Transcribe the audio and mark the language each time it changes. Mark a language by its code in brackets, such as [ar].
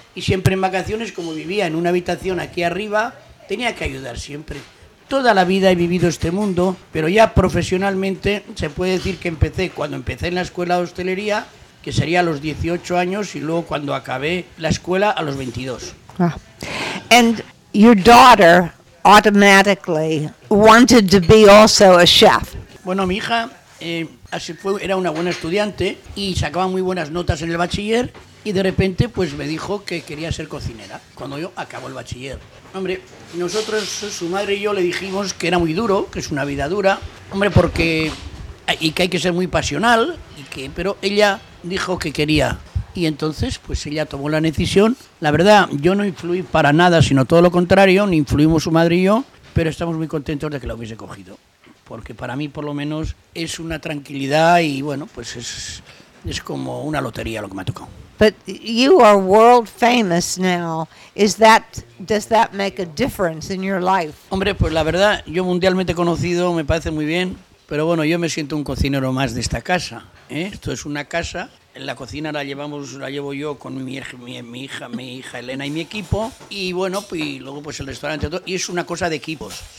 [es] Y siempre en vacaciones, como vivía en una habitación aquí arriba, tenía que ayudar siempre. Toda la vida he vivido este mundo, pero ya profesionalmente se puede decir que empecé cuando empecé en la escuela de hostelería, que sería a los 18 años, y luego cuando acabé la escuela a los 22. Ah. [en] And your daughter automatically wanted to be also a chef. [es] Bueno, mi hija así fue, era una buena estudiante y sacaba muy buenas notas en el bachiller y de repente pues me dijo que quería ser cocinera cuando yo acabo el bachiller. Hombre, nosotros, su madre y yo, le dijimos que era muy duro, que es una vida dura, hombre, porque, y que hay que ser muy pasional, y que, pero ella dijo que quería. Y entonces, pues ella tomó la decisión. La verdad, yo no influí para nada, sino todo lo contrario, ni influimos su madre y yo, pero estamos muy contentos de que la hubiese cogido. Porque para mí, por lo menos, es una tranquilidad y, bueno, pues es como una lotería lo que me ha tocado. [en] But you are world famous now. Does that make a difference in your life? [es] Hombre, pues la verdad, yo mundialmente conocido me parece muy bien, pero bueno, yo me siento un cocinero más de esta casa. Esto es una casa. La cocina la llevo yo con mi hija Elena y mi equipo. Y bueno, pues, y luego pues el restaurante todo. Y es una cosa de equipos.